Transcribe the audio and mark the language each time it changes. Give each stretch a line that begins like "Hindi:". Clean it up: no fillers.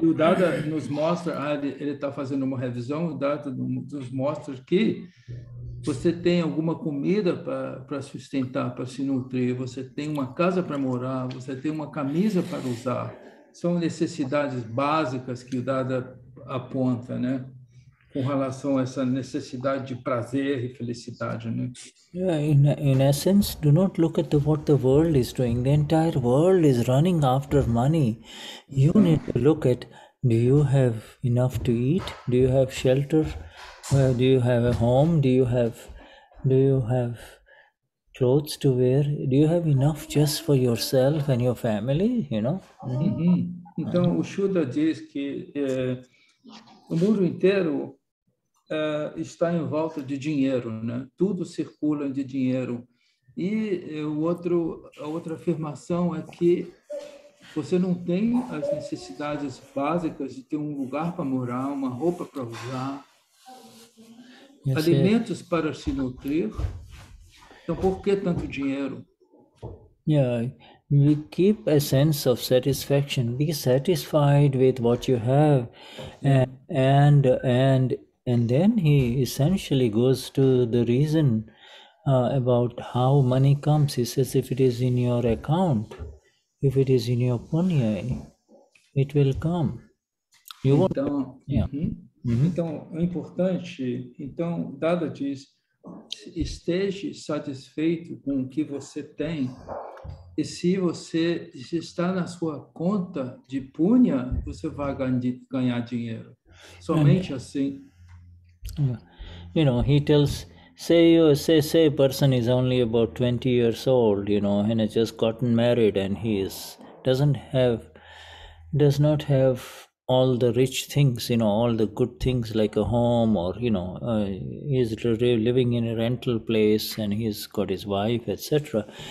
Portuguese: E o Dada nos mostra, ele está fazendo uma revisão, o Dada nos mostra que você tem alguma comida para sustentar, para se nutrir, você tem uma casa para morar, você tem uma camisa para usar. São necessidades básicas que o Dada aponta, né? Com relação a essa necessidade de prazer e felicidade, né?
English: Yeah, in essence, do not look at what the world is doing. The entire world is running after money. You need to look at, do you have enough to eat? Do you have shelter? Well, do you have a home? Do you have clothes to wear? Do you have enough just for yourself and your family, you know? Mm-hmm.
Portuguese: Então, o Shuddha diz que o mundo inteiro está em volta de dinheiro, né? Tudo circula de dinheiro. E a outra afirmação é que você não tem as necessidades básicas de ter um lugar para morar, uma roupa para usar, yes, alimentos yes. para se nutrir. Então, por que tanto dinheiro?
English: Yeah. We keep a sense of satisfaction. Be satisfied with what you have. And then he essentially goes to the reason about how money comes. He says, if it is in your account, if it is in your punya, it will come. You want to...
Portuguese: Então, é importante. Então, Dada diz, esteja satisfeito com o que você tem. E se você está na sua conta de punha, você vai ganhar dinheiro. Somente and, assim.
English: You know, he tells, say person is only about 20 years old, you know, and has just gotten married, and he is does not have all the rich things, you know, all the good things like a home, or, you know, he's living in a rental place and he's got his wife, etc.